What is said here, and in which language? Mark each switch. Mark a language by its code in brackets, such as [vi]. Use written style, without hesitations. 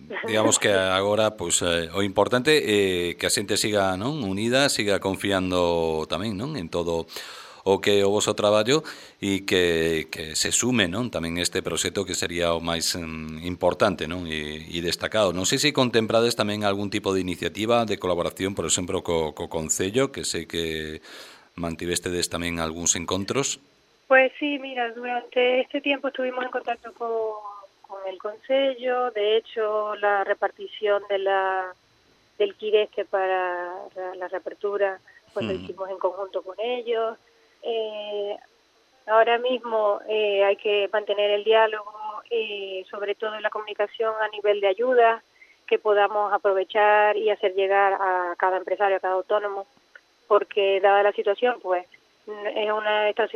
[es] Digamos que ahora, pues, lo importante es que la gente siga, ¿no?, unida, siga confiando también, ¿no?, [gl] en todo o que o vosso traballo, [es] y que se sume, ¿no?, también este proxecto, que sería o máis importante, ¿no?, y destacado. [gl] Non sei se contemplades tamén algún tipo de iniciativa de colaboración, por exemplo, co Concello, que sei que mantivestedes tamén algúns encontros. [es] Pues sí, mira, durante este tiempo estuvimos en contacto con el Concello. De hecho, la repartición del Quiresque para la reapertura, pues lo hicimos en conjunto con ellos. Ahora mismo hay que mantener el diálogo, sobre todo la comunicación a nivel de ayuda que podamos aprovechar y hacer llegar a cada empresario, a cada autónomo, porque dada la situación, pues es una